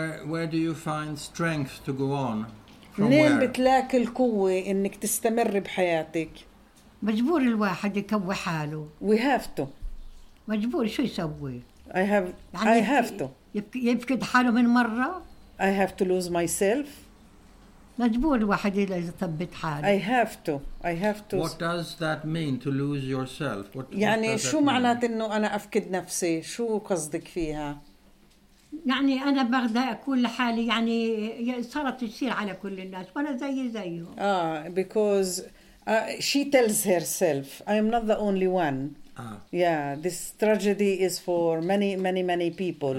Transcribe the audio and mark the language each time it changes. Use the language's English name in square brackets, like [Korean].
[English] Where do you find strength to go on? [Arabic] منين بتلاقي القوة إنك تستمر بحياتك؟ مجبور الواحد يكوي حاله. [English] We have to. [Arabic] مجبور شو يسوي؟ [English] I have to. [Arabic] يفقد حاله من مرة. [English] I have to lose myself. [Arabic] مجبور الواحد يثبت حاله. [English] I have to. What does that mean to lose yourself? [Arabic] يعني شو معنات إنه أنا أفقد نفسي؟ شو قصدك فيها؟ يعني أنا بغدا أكون لحالي يعني صارت تصير على كل الناس وأنا زيهم. [English] Because she tells herself, I am not the only one. Yeah, this tragedy is for many, many, many people.